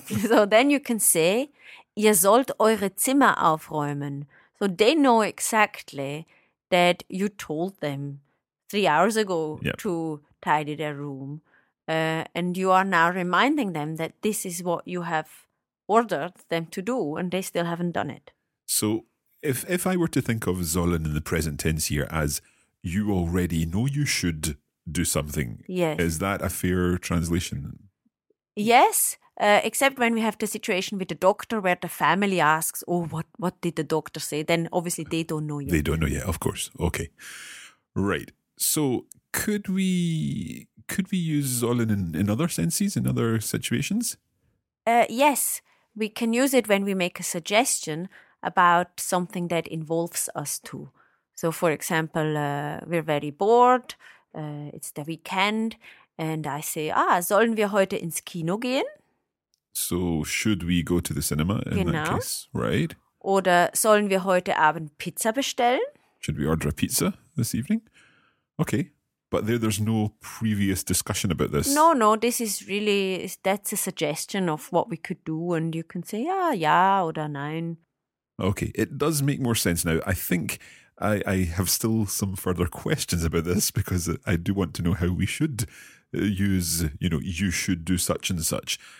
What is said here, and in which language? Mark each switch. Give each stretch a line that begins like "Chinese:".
English: So then you can say,
German: ihr sollt eure Zimmer aufräumen.
English: So they know exactly that you told them 3 hours ago to tidy their room. And you are now reminding them that this is what you have ordered them to do, and they still haven't done it. So if I were to think of sollen in the present tense here as you already know you should do something, yes. Is that a fair translation? Yes, Except when we have the situation with the doctor where the family asks, oh, what did the doctor say? Then obviously they don't know yet. They don't know yet, of course. Okay. Right. So could we use Zollin in other senses, in other situations? Yes. We can use it when we make a suggestion about something that involves us too. So, for example, we're very bored, it's the weekend, and I say,
German: sollen wir heute ins Kino gehen?
English: So, should we go to the cinema in that case, right?
German: Oder sollen wir heute Abend Pizza bestellen?
English: Should we order a pizza this evening? Okay, but there's no previous discussion about this. No, this is really, that's a suggestion of what we could do, and you can say, yeah,
German: oder nein.
English: Okay, it does make more sense now. I think I have still some further questions about this because I do want to know how we should use, you know, you should do such and such.